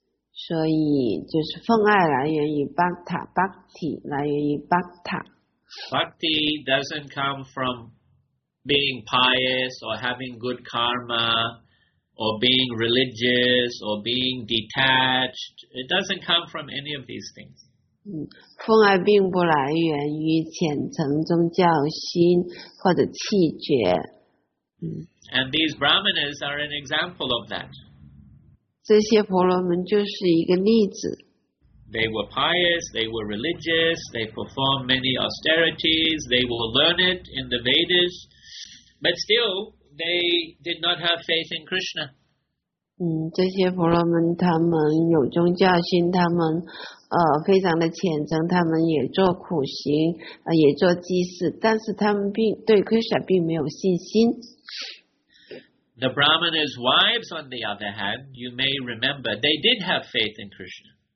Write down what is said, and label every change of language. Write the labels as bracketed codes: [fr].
[zh] 所以就是奉爱来源于 bhakti 来源于 bhakta。 [en] Bhakti doesn't come from being pious or having good karma or being religious or being detached. It doesn't come from any of these things. [zh] 奉爱并不来源于虔诚宗教心或者气绝。 [en] And these brahmanas are an example of that. [zh] 这些婆罗门就是一个例子。 [en] They were pious, they were religious, they performed many austerities, they were learned in the Vedas, but still they did not have faith in Krishna. [zh] 这些婆罗门他们有宗教心，他们非常的虔诚，他们也做苦行，也做祭祀，但是他们对 Krishna 并没有信心。 [en] The Brahmanas' wives, on the other hand, you may remember, they did have faith in Krishna.